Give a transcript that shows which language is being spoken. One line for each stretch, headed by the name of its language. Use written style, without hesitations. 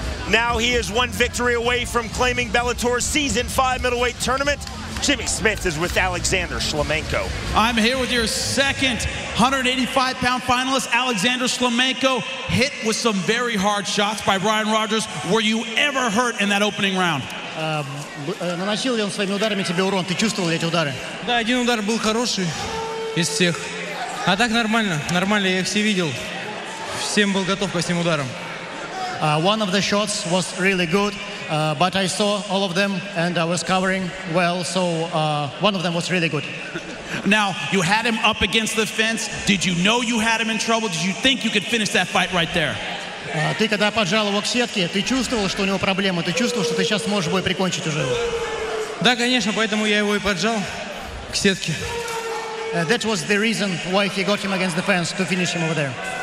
English: Now he is one victory away from claiming Bellator Season 5 middleweight tournament. Jimmy Smith is with Alexander Shlemenko. I'm here with your second 185-pound finalist, Alexander Shlemenko, hit with some very hard shots by Brian Rogers. Were you ever hurt in that opening round?
Russian: Наносил ли он своими ударами тебе урон? Ты чувствовал эти удары? Да, один удар был хороший из всех. А так нормально, нормально, я их все видел. Всем был готов ко всем ударам.
English: One of the shots was really good, but I saw all of them and I was covering well, so one of them was really good. Now, you had him up against the fence. Did you know you had him in trouble? Did you think you could finish that fight right there?
Russian: Ты когда поджал его к сетке, ты чувствовал, что у него проблемы? Ты чувствовал, что ты сейчас можешь бой прикончить уже? Да, конечно, поэтому я его и поджал к сетке.
English: That was the reason why he got him against the fence, to finish him over there.